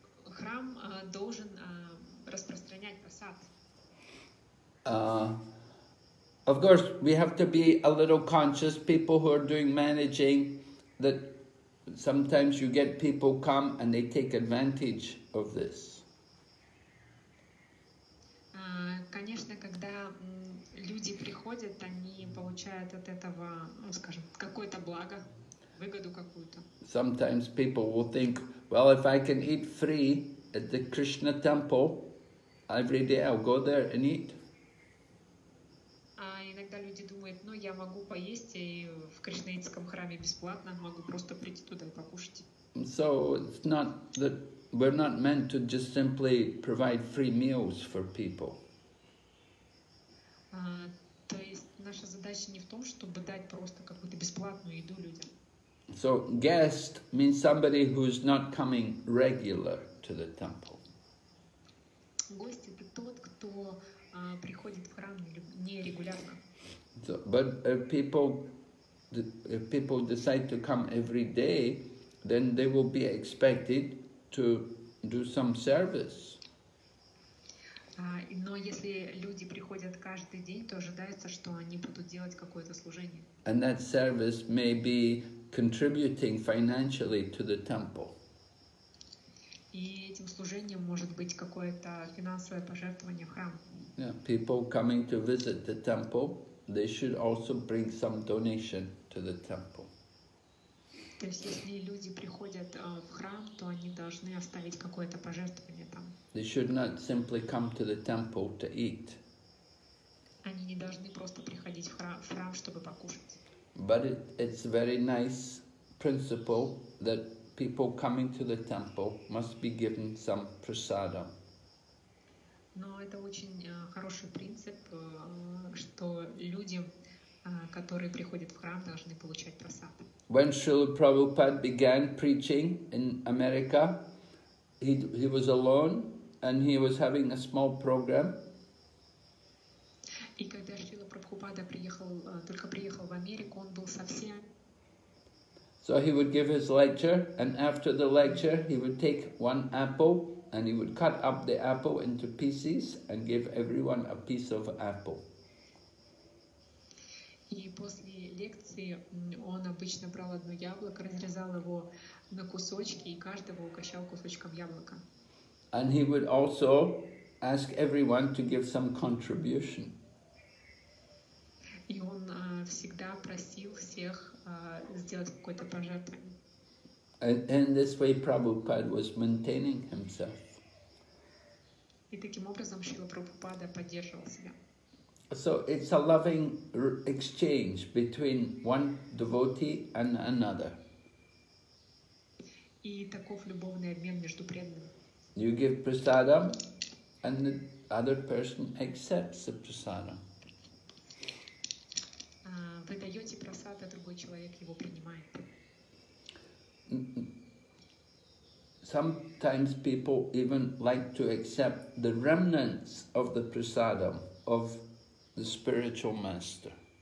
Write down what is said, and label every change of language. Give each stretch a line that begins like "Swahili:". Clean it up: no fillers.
Russian: Храм должен распространять просад.
English: Of course, we have to be a little conscious, people who are doing managing, that sometimes you get people come and they take advantage of this.
Russian: Конечно, когда люди приходят, они получают от этого, ну, скажем, какое-то благо, выгоду какую-то.
English: Sometimes people will think, well, if I can eat free at the Krishna temple, every day I'll go there and eat.
Russian: Иногда люди думают, ну я могу поесть и в Кришнаитском храме бесплатно, могу просто прийти туда и покушать.
English: So it's not that we're not meant to just simply provide free meals for people.
Russian: То есть наша задача не в том, чтобы дать просто какую-то бесплатную еду людям.
English: So guest means somebody who's not coming regular to the temple.
Russian: Гость — это тот, кто приходит в храм нерегулярно.
English: So, but if people decide to come every day, then they will be expected to do some service.
Russian: Но если люди приходят каждый день, то ожидается, что они будут делать какое-то служение.
English: And that service may be contributing financially to the temple.
Russian: И этим служением может быть какое-то финансовое пожертвование в храм.
English: Yeah, people coming to visit the temple, they should also bring some donation to the temple.
Russian: То есть, если люди приходят в храм, то они должны оставить какое-то пожертвование там.
English: They should not simply come to the temple to eat.
Russian: Они не должны просто приходить в храм, чтобы покушать.
English: But it's very nice principle that people coming to the temple must be given some prasadam.
Russian: Но это очень хороший принцип, что люди, которые приходят в храм, должны получать прасад.
English: When Srila Prabhupada began preaching in America, he was alone and he was having a small program.
Russian: И когда Шрила Прабхупада приехал, только приехал в Америку, Америку, он был совсем...
English: So he would give his lecture, and after the lecture, he would take one apple, and he would cut up the apple into pieces, and give everyone a piece of apple.
Russian: И после лекции он обычно брал одно яблоко, разрезал его на кусочки и каждого угощал кусочком яблока.
English: And he would also ask everyone to give some contribution.
Russian: И он всегда просил всех сделать какое-то пожертвование.
English: And this way Prabhupada was maintaining himself.
Russian: И таким образом Шрила Прабхупада поддерживал себя.
English: So it's a loving exchange between one devotee and another.
Russian: И таков любовный обмен между преданными.
English: You give prasadam, and the other person accepts the prasadam.
Russian: Вы даете прасад, а другой человек его принимает.
English: Sometimes people even like to accept the remnants of the prasadam of the spiritual master.